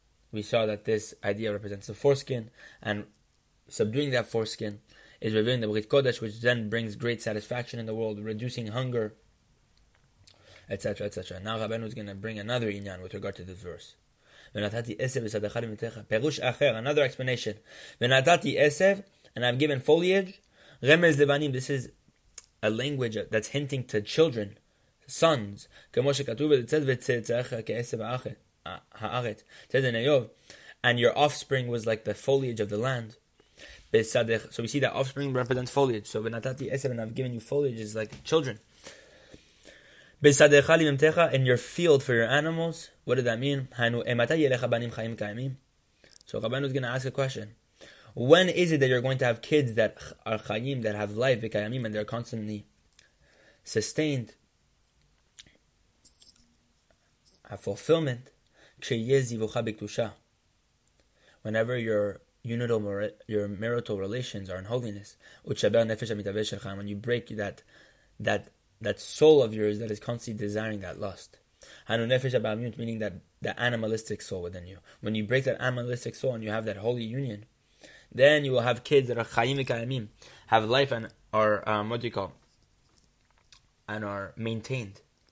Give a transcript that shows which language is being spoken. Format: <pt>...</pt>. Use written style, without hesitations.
<en>We saw that this idea represents the foreskin, and subduing that foreskin is revealing the Brit Kodesh, which then brings great satisfaction in the world, reducing hunger, etc., etc. Now Rabbeinu is going to bring another inyan with regard to this verse.</en> <he>Venatati esev v'sadachal v'natecha. Perush acher,</he> <en>another explanation.</en> <he>Venatati esev,</he> <en>and I've given foliage.</en> <he>Remez levanim,</he> <en>this is a language that's hinting to children.</en> <he>Sons, כמו שכתוב,</he> <en>it says,</en> <he>וצאצאיך כעשב הארץ.</he> <en>It says in Ayov, and your offspring was like the foliage of the land. So we see that offspring represents foliage. So</en> <he>ונתתי עשב,</he> <en>and I've given you foliage, is like children.</en> <he>בשדך לממתך,</he> <en>in your field for your animals. What did that mean?</en> <he>היינו, מתי יהיה לך בנים חיים קיימים?</he> <en>So Rabbeinu is going to ask a question. When is it that you're going to have kids that are</en> <he>חיים,</he> <en>that have life,</en> <he>וקיימים,</he> <en>and they're constantly sustained? A fulfillment, whenever your marital relations are in holiness, and when you break that soul of yours that is constantly desiring that lust, meaning that the animalistic soul within you, when you break that animalistic soul and you have that holy union, then you will have kids that are</en> <he>chayim v'kayamim,</he> <en>have life and are what do you call, and are maintained.</en>